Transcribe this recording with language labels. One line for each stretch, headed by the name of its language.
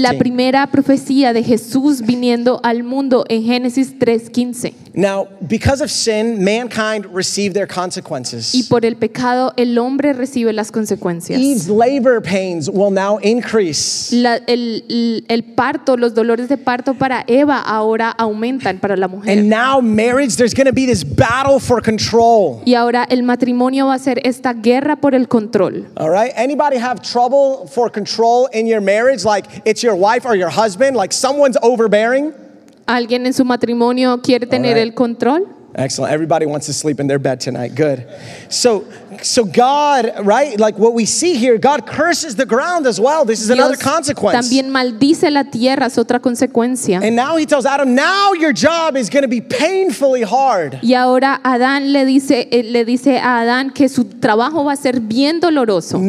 Spanish: La primera profecía de Jesús viniendo al mundo en Génesis 3:15.
English: Now, because of sin, mankind received their consequences.
Spanish: Y por el pecado, el hombre recibe las consecuencias.
English: Eve's labor pains will now increase.
Spanish: El parto, los dolores de parto para Eva ahora aumentan para la mujer.
English: And now marriage, there's going to be this battle for control.
Spanish: Y ahora el matrimonio va a ser esta guerra por el control.
English: All right? Anybody have trouble for control in your marriage? Like it's your wife or your husband? Like someone's overbearing?
Spanish: ¿Alguien en su matrimonio quiere tener right. el control?
English: Excellent. Everybody wants to sleep in their bed tonight. Good. So God, right? Like what we see here, God curses the ground as well. This is
Spanish: Dios
English: another consequence.
Spanish: También maldice la tierra, es otra consecuencia.
English: And now he tells Adam, now your job is going to be painfully hard.
Spanish: Y ahora Adán le dice a Adán que su trabajo va a ser bien doloroso.